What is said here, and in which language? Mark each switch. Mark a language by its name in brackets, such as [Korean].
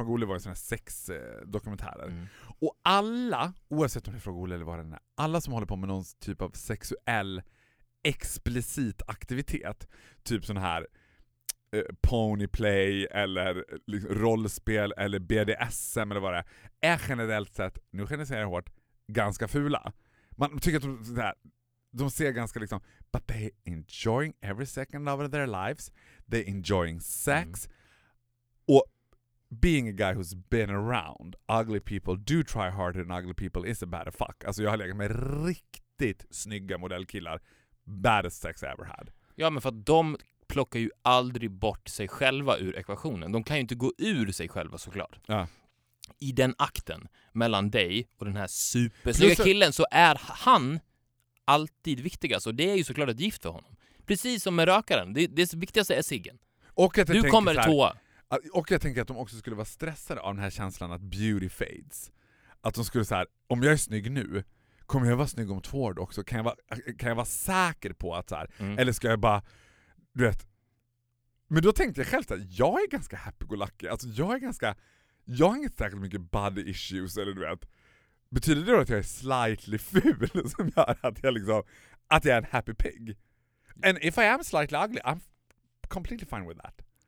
[Swedish] Fråga Olle var en sån här sex dokumentärer. Och alla, oavsett om det är Fråga Olle eller vad den är, alla som håller på med någon typ av sexuell explicit aktivitet, typ sån här ponyplay eller liksom rollspel eller BDSM eller vad det är generellt sett, nu generaliserar jag hårt, ganska fula. Man tycker att de, så här, de ser ganska liksom, [English] but they enjoying every second of their lives, they enjoying sex, [Swedish] och [English] being a guy who's been around, ugly people do try harder than ugly people is a bad fuck. [Swedish] Alltså jag har legat med riktigt snygga modellkillar, [English] baddest sex I ever had. [Swedish] Ja, men för att de plockar ju aldrig bort sig själva ur ekvationen. De kan ju inte gå ur sig själva såklart. Ja. I den akten mellan dig och den här supersnygga killen så är han alltid viktigast. Och det är ju såklart ett gift för honom. Precis som med rökaren. Det viktigaste är ciggen. Du kommer tvåa. Och jag tänker att de också skulle vara stressade av den här känslan att [English] beauty fades. [Swedish] Att de skulle så här, om jag är snygg nu, kommer jag vara snygg om 2 år också? Kan jag vara säker på att så här, eller ska jag bara, du vet. Men då tänkte jag själv så här, jag är ganska happy-go-lucky. Alltså jag har inte särskilt mycket body issues, eller du vet. Betyder det då att jag är slightly ful som gör att jag liksom, att jag är en happy pig? [English] And if I am slightly ugly, I'm completely fine with that.